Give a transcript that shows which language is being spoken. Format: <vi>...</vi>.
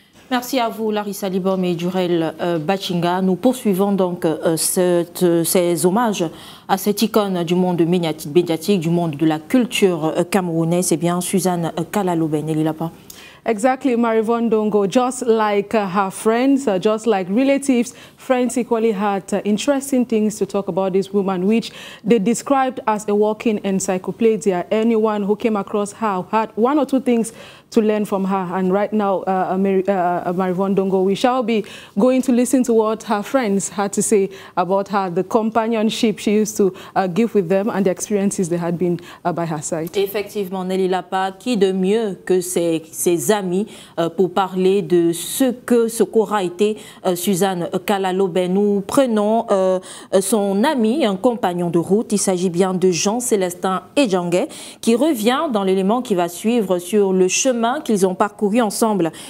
<fr>Merci à vous, Larissa Libom et Durel Batinga. Nous poursuivons donc ces hommages à cette icône du monde médiatique, du monde de la culture camerounaise. C'est bien Suzanne Kalalobé, Nelly Lapa.</fr> <en>Exactly, Marie-Yvonne Dongo, just like her friends, just like relatives, friends equally had interesting things to talk about this woman, which they described as a walking encyclopedia. Anyone who came across her had one or two things to learn from her. And right now, Marie-Yvonne Dongo, we shall be going to listen to what her friends had to say about her, the companionship she used to give with them and the experiences they had been by her side.</en> <fr>Effectivement, Nelly Lapa, qui de mieux que ses amis pour parler de ce qu'aura été Suzanne Kalalobé. Nous prenons son ami, un compagnon de route. Il s'agit bien de Jean-Célestin Edjangue, qui revient dans l'élément qui va suivre sur le chemin qu'ils ont parcouru ensemble.</fr>